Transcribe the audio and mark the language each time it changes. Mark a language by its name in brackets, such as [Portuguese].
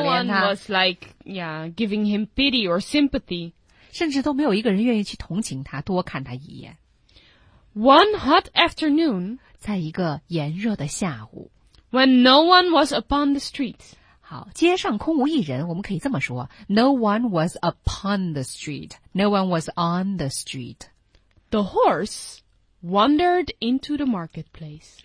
[English] Yeah, no one was like, yeah, giving him pity or sympathy. [Chinese] 甚至都没有一个人愿意去同情他，多看他一眼。 [English] One hot afternoon, [Chinese] 在一个炎热的下午 [English] ,when no one was upon the streets. [Chinese] 好，街上空无一人，我们可以这么说 , [English] no one was upon the street, [Chinese] no one was on the street. [English] The horse,Wandered into the marketplace.